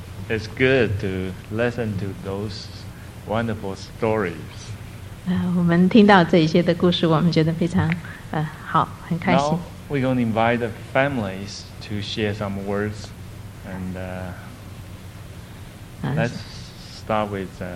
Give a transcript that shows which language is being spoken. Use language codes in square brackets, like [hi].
[en] It's good to listen to those wonderful stories. [zh] 我们听到这些的故事，我们觉得非常好，很开心。 [en] Now we're going to invite the families to share some words, and let's start with.